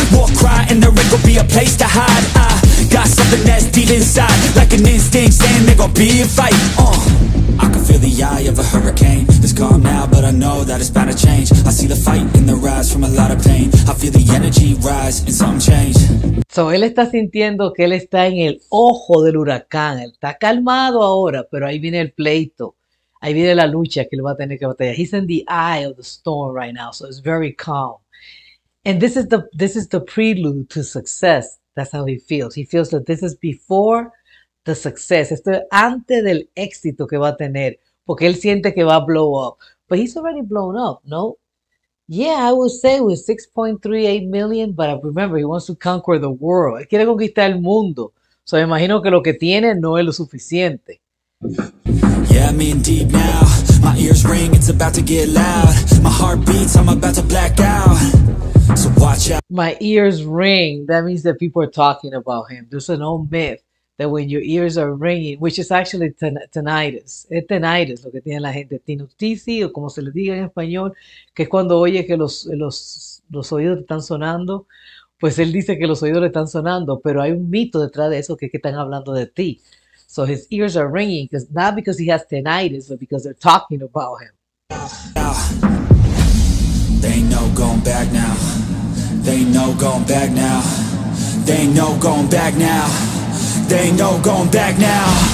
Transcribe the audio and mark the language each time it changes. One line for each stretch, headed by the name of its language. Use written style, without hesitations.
English: War cry and the ring will be a place to hide. I got something that's deep inside. Like an instinct saying there gonna be a fight. I can feel the eye of a hurricane. It's calm now, but I know that it's bound to change. I see the fight in the rise from a lot of pain. I feel the energy rise and something change.
Spanish: So él está sintiendo que él está en el ojo del huracán. Él está calmado ahora, pero ahí viene el pleito. Ahí viene la lucha que él va a tener que batallar.
English: He's in the eye of the storm right now, so it's very calm. And this is the prelude to success. That's how he feels. He feels that this is before the success.
Spanish: Esto es antes del éxito que va a tener, porque él siente que va a
English: blow up. But he's already blown up, no? Yeah, I would say with 6.38 million, but remember, he wants to conquer the world.
Spanish: Él quiere conquistar el mundo. So me imagino que lo que tiene no es lo suficiente.
English: Yeah, I'm in deep now. My ears ring, it's about to get loud. My heart beats, I'm about to black out. So watch out. My ears ring. That means that people are talking about him. There's an old myth that when your ears are ringing, which is actually tinnitus.
Spanish: Es tinnitus, lo que tiene la gente. Tinnitus, o como se le diga en español, que es cuando oye que los oídos están sonando. Pues él dice que los oídos le están sonando, pero hay un mito detrás de eso, que es que están hablando de ti.
English: So his ears are ringing, not because he has tinnitus, but because they're talking about him. They ain't no going back now. They ain't no going back now. They ain't no going back now. They ain't no going back now.